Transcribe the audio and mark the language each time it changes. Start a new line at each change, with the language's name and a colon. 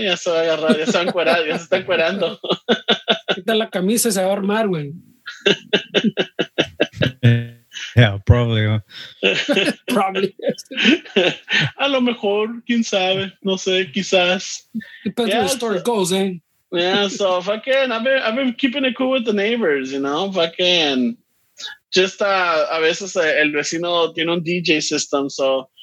Spanish: Ya se va a agarrar, ya se va a encuerar, ya se está encuerando. Quita la camisa y se va a armar, güey.
English: Yeah, probably. Probably.
Spanish: A lo mejor, quién sabe, no sé, quizás.
English: Depends where the story goes, eh? Yeah, so fucking, I've been keeping it cool with the neighbors, you know, fucking.
Spanish: Just a veces el vecino tiene un DJ system, so.